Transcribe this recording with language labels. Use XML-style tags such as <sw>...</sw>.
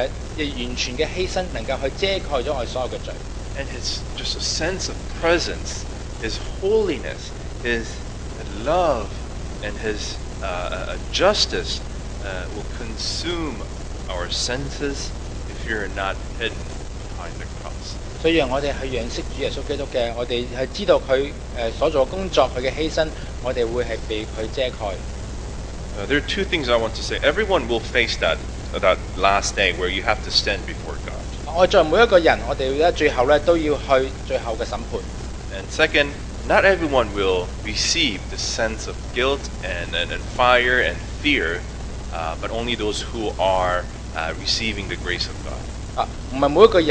<zh>若然我们跟随主的时候，主耶稣基督的工作，祂的完全的牺牲，能够去遮盖了我们所有的罪。</zh> <en>And His just a sense of presence, His holiness, His love, and His justice will consume our senses if you're not hidden behind the cross.</en> <zh>所以我们去认识主耶稣基督的，我们是知道祂所做的工作，祂的牺牲，我们会被祂遮盖。</zh> <en>There are two things I want to say. Everyone will face that last day where you have to stand before God.</en> <zh>我作为每一个人，我们最后都要去最后的审判。</zh> <en>And second, not everyone will receive the sense of guilt and fire and fear, but only those who are receiving the grace of God.</en>